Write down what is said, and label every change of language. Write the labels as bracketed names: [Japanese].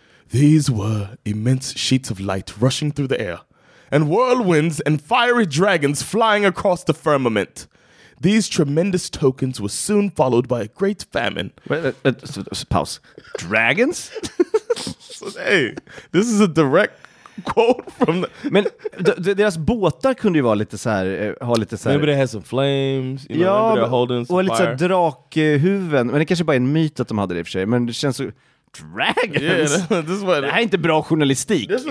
[English] These were immense sheets of light rushing through the air, and whirlwinds and fiery dragons flying across the firmament. These tremendous tokens were soon followed by a great famine. Pause. Dragons? Hey, this is a direct quote from the... [Swedish] Men deras båtar kunde ju vara lite så här, ha lite så här... [English] Maybe they had some flames, you know, [Swedish] ja, [English] maybe they're holding some fire. [Swedish] Och lite så här drakhuven. Men det kanske bara är en myt att de hade det i och för sig. Men det känns så... Dragons? [English] Yeah, this what... [Swedish] Det här är inte bra journalistik.